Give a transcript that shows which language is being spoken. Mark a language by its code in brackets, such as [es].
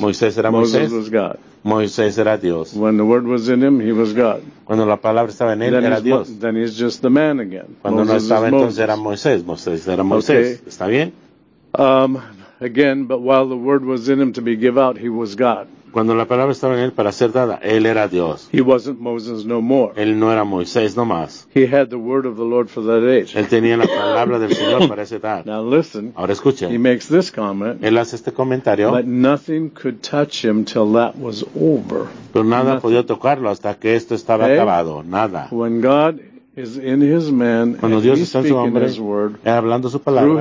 [es] Moisés era Moisés. [en] Moses was God. [es] Moisés era Dios. [en] When the word was in him, he was God. [es] Cuando la palabra estaba en él, [en] then [es] era Dios. [en] Then he's just the man again. [es] Cuando [en] Moses [es] no estaba, entonces [en] Moses. [es] Era Moisés. Moisés era Moisés. [en] Okay. [es] ¿Está bien? [en] Again, but while the word was in him to be give out, he was God. [es] Cuando la palabra estaba en él para ser dada, él era Dios. [en] He wasn't Moses no more. [es] Él no era Moisés no más. [en] He had the word of the Lord for that age. [es] Él tenía la palabra del Señor para esa edad. [en] Now listen. [es] Ahora escuchen. [en] He makes this comment. [es] Él hace este comentario. [en] But nothing could touch him till that was over. [es] Pero nada podía tocarlo hasta que esto estaba acabado. Nada. [en] When God is in his man, [es] cuando Dios está en su hombre, hablando su palabra,